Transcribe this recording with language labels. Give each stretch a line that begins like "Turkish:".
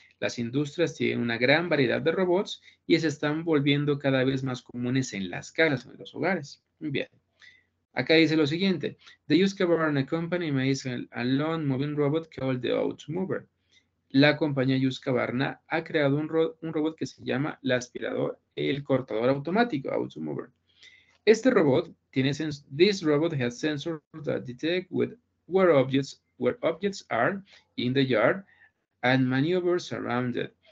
Spanish: Las industrias tienen una gran variedad de robots y se están volviendo cada vez más comunes en las casas, en los hogares. Bien. Acá dice lo siguiente.
English: The Husqvarna Company makes a lawn moving robot called the Outmover.
Spanish: la compañía Husqvarna ha creado un robot que se llama la aspirador, el cortador automático, Automover. Este robot tiene
English: this robot has sensors that detect where objects are in the yard and maneuvers around it.